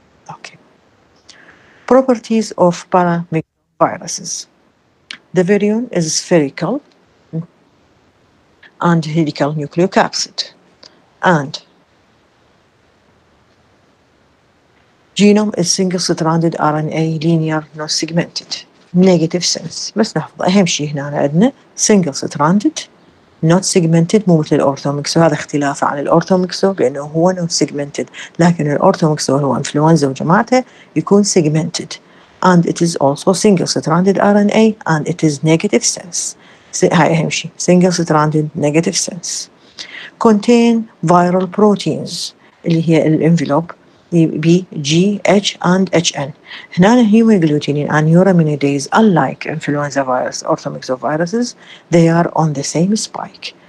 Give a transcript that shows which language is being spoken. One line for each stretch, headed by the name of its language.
English: Okay. Properties of paramyxoviruses. The virion is spherical and helical nucleocapsid. And genome is single-stranded RNA, linear, non-segmented. Negative sense.
Arabic: بس نحفظ أهم شيء هنا عندنا single-stranded.
English: Not segmented,
Arabic: مو مثل الأورثوميكسو. هذا اختلاف عن الأورثوميكسو بأنه هو not segmented. لكن الأورثوميكسو هو إنفلونزا وجماعته يكون segmented.
English: And it is also single-stranded RNA and it is negative sense.
Arabic: هاي أهم شيء.
English: Single-stranded negative sense. Contain viral proteins.
Arabic: اللي هي الانفلوب.
English: B, G, H, and HN.
Arabic: هنا
English: human glutenin and neuraminidase, unlike influenza virus, orthomyxoviruses, they are on the same spike.